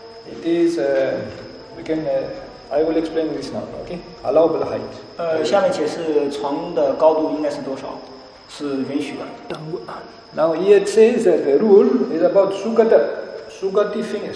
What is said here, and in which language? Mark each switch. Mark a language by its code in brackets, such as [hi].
[en] It is, we can, I will explain this now, okay? Allowable height. [zh] 下面解释床的高度应该是多少是允许的。 [en] Now it says that the rule is about Sugata fingers.